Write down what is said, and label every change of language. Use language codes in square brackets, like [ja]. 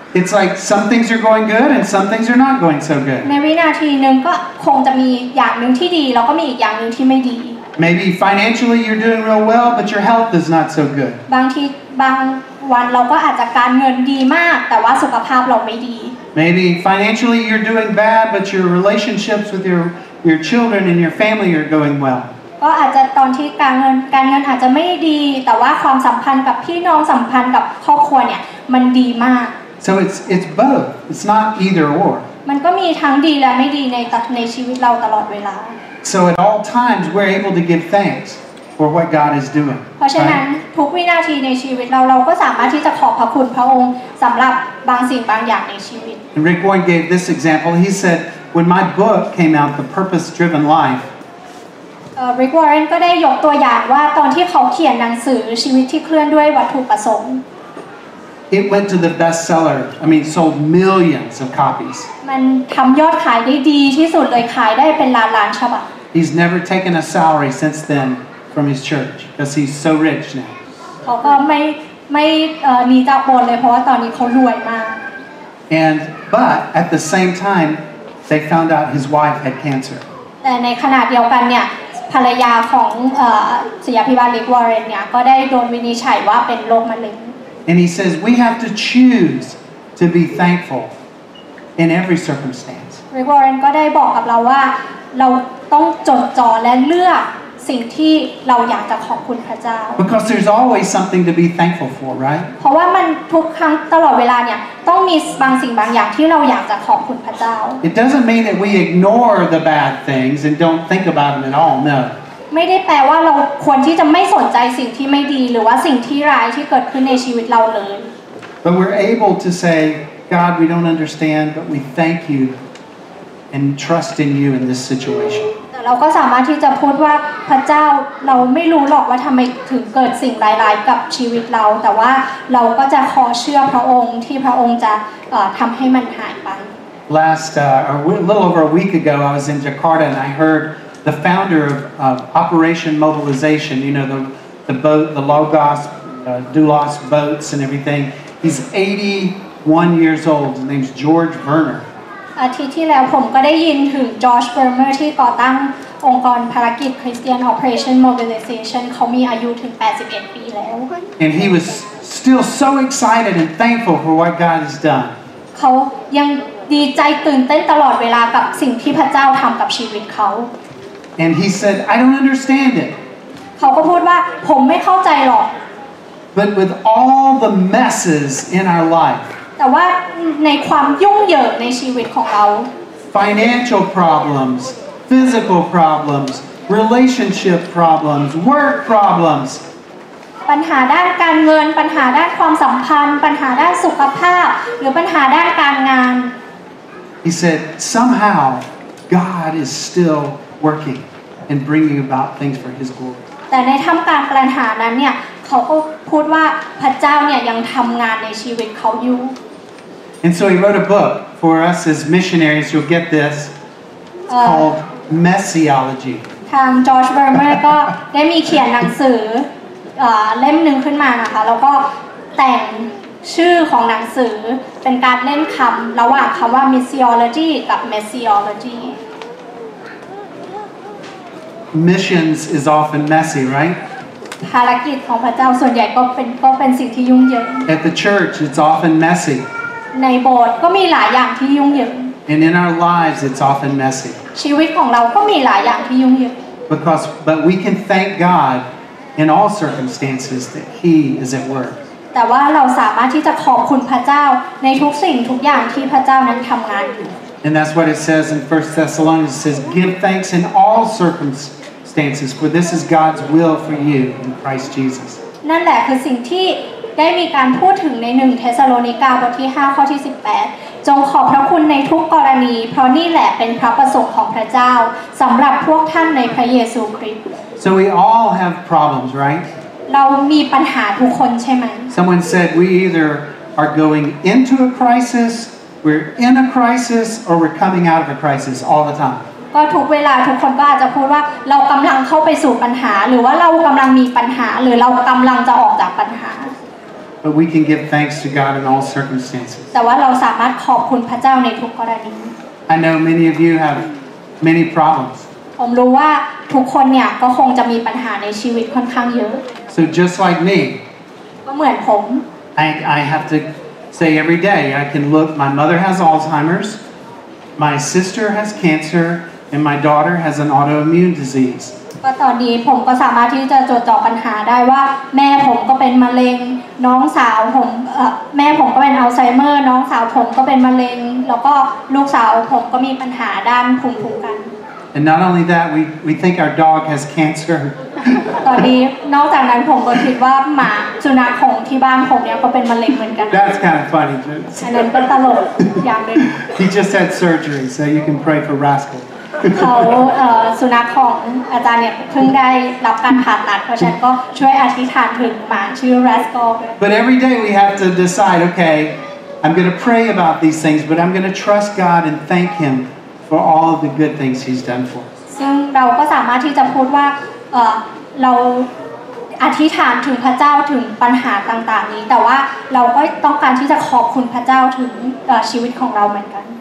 [en] It's like some things are going good and some things are not going so good. [th] ในวินาทีนึงก็คงจะมีอย่างนึงที่ดีแล้วก็มีอีกอย่างนึงที่ไม่ดี [en] Maybe financially you're doing real well, but your health is not so good. [th] บางทีบางวันเราก็อาจจะการเงินดีมากแต่ว่าสุขภาพเราไม่ดี [en] Maybe financially you're doing bad, but your relationships with your children and your family are going well. [th] ก็อาจจะตอนที่การเงินอาจจะไม่ดีแต่ว่าความสัมพันธ์กับพี่น้องสัมพันธ์กับครอบครัวเนี่ยมันดีมาก [en] So it's both. It's not either or. [th] มันก็มีทั้งดีและไม่ดีในชีวิตเราตลอดเวลา [en] So at all times we're able to give thanks for what God is doing. [th] เพราะฉะนั้นทุกวินาทีในชีวิตเราก็สามารถที่จะขอบพระคุณพระองค์สำหรับบางสิ่งบางอย่างในชีวิต [en] And Rick Warren gave this example. He said, "When my book came out, The Purpose Driven Life." [th] Rick Warren ก็ได้ยกตัวอย่างว่าตอนที่เขาเขียนหนังสือชีวิตที่เคลื่อนด้วยวัตถุประสงค์ [en] It went to the bestseller. I mean, sold millions of copies. [th] มันทำยอดขายได้ดีที่สุดเลยขายได้เป็นล้านๆฉบับ [en] He's never taken a salary since then from his church because he's so rich now. And but at the same time, they found out his wife had cancer. And he says, we have to choose to be thankful in every circumstance. [th] Rick Warren ก็ได้บอกกับเราว่าเราต้องจดจ่อและเลือกสิ่งที่เราอยากจะขอบคุณพระเจ้า [en] Because there's always something to be thankful for, right? [th] เพราะว่ามันทุกครั้งตลอดเวลาเนี่ยต้องมีบางสิ่งบางอย่างที่เราอยากจะขอบคุณพระเจ้า [en] It doesn't mean that we ignore the bad things and don't think about them at all, no. [th] ไม่ได้แปลว่าเราควรที่จะไม่สนใจสิ่งที่ไม่ดีหรือว่าสิ่งที่ร้ายที่เกิดขึ้นในชีวิตเราเลย [en] But we're able to say, God, we don't understand, but we thank you and trust in you in this situation. [th] เราก็สามารถที่จะพูดว่าพระเจ้าเราไม่รู้หรอกว่าทําไมถึงเกิดสิ่งร้ายๆกับชีวิตเราแต่ว่าเราก็จะขอเชื่อพระองค์ที่พระองค์จะทําให้มันหายไป [en] Last a little over a week ago I was in Jakarta and I heard the founder of Operation Mobilization, you know the boat the Logos Dulos boats and everything. He's 81 years old. His name's George Werner. [th] อาทิตย์ที่แล้วผมก็ได้ยินถึงจอร์จเบอร์เมอร์ที่ก่อตั้งองค์กรภารกิจคริสเตียนออเปอเรชั่นโมบิลิเซชั่นเขามีอายุถึง81ปีแล้ว [en] And he was still so excited and thankful for what God has done [th] เขายังดีใจตื่นเต้นตลอดเวลากับสิ่งที่พระเจ้าทำกับชีวิตเขา [en] And he said I don't understand it [th] เขาก็พูดว่าผมไม่เข้าใจหรอก [en] But with all the messes in our life [th] แต่ว่าในความยุ่งเหยิงในชีวิตของเรา [en] financial problems physical problems relationship problems work problems [th] ปัญหาด้านการเงินปัญหาด้านความสัมพันธ์ปัญหาด้านสุขภาพหรือปัญหาด้านการงาน [en] he said somehow God is still working and bringing about things for his glory [th] แต่ในท่ามกลางปัญหานั้นเนี่ยเขาพูดว่าพระเจ้าเนี่ยยังทำงานในชีวิตเขาอยู่ [en] And so he wrote a book for us as missionaries. You'll get this. It's called Messiology. [th] ทาง George Vermeer ก็ได้มีเขียนหนังสือเล่มหนึ่งขึ้นมานะคะแล้วก็แต่งชื่อของหนังสือเป็นการเล่นคำระหว่างคำว่า Missiology กับ Messiology. [en] Missions is often messy, right? [th] ภารกิจของพระเจ้าส่วนใหญ่ก็เป็นสิ่งที่ยุ่งเหยิง [en] At the church it's often messy [th] ในโบสถ์ก็มีหลายอย่างที่ยุ่งเหยิง [en] And in our lives it's often messy [th] ชีวิตของเราก็มีหลายอย่างที่ยุ่งเหยิง [en] But we can thank God in all circumstances that he is at work [th] แต่ว่าเราสามารถที่จะขอบคุณพระเจ้าในทุกสิ่งทุกอย่างที่พระเจ้านั้นทํางานอยู่ [en] And that's what it says in 1 Thessalonians it says give thanks in all circumstancesFor this is God's will for you in Christ Jesus. [th] นั่นแหละคือสิ่งที่ได้มีการพูดถึงใน1เทสาโลนิกาบทที่5ข้อที่18จงขอบพระคุณในทุกกรณีเพราะนี่แหละเป็นพระประสงค์ของพระเจ้าสำหรับพวกท่านในพระเยซูคริสต์ [en] So we all have problems, right? [th] เรามีปัญหาทุกคนใช่ไหม [en] Someone said we either are going into a crisis, we're in a crisis, or we're coming out of a crisis all the time. [th] ก็ทุกเวลาทุกคนก็อาจจะพูดว่าเรากำลังเข้าไปสู่ปัญหาหรือว่าเรากำลังมีปัญหาหรือเรากำลังจะออกจากปัญหา [en] But we can give thanks to God in all circumstances. [th] แต่ว่าเราสามารถขอบคุณพระเจ้าในทุกกรณี [en] I know many of you have many problems. [th] ผมรู้ว่าทุกคนเนี่ยก็คงจะมีปัญหาในชีวิตค่อนข้างเยอะ [en] So just like me. [th] ก็เหมือนผม [en] I have to say every day I can look. My mother has Alzheimer's. My sister has cancer. And my daughter has an autoimmune disease. [th] ก็ตอนนี้ผมก็สามารถที่จะจดจ่อปัญหาได้ว่าแม่ผมก็เป็นมะเร็งน้องสาวผมแม่ผมก็เป็นอัลไซเมอร์น้องสาวผมก็เป็นมะเร็งแล้วก็ลูกสาวผมก็มีปัญหาด้านภูมิคุ้มกัน [en] And not only that we think our dog has cancer. [th] ตอนนี้นอกจากนั้นผมก็คิดว่าหมาสุนัขของที่บ้านผมเนี่ยก็เป็นมะเร็งเหมือนกัน [en] That's kind of funny. [th] นั่นก็ตลกอย่างนึง [en] He just had surgery so you can pray for Rascal. [th] เขาสุนัขของอาจารย์เนี่ยเพิ่งได้รับการผ่าตัดเพราะฉะนั้นก็ช่วยอธิษฐานถึงหมาชื่อ Rascal [en] But every day we have to decide okay I'm going to pray about these things but I'm going to trust God and thank him for all of the good things he's done for [th] ซึ่งเราก็สามารถที่จะพูดว่า เราอธิษฐานถึงพระเจ้าถึงปัญหาต่างๆนี้แต่ว่าเราก็ต้องการที่จะขอบคุณพระเจ้าถึงชีวิตของเราเหมือนกัน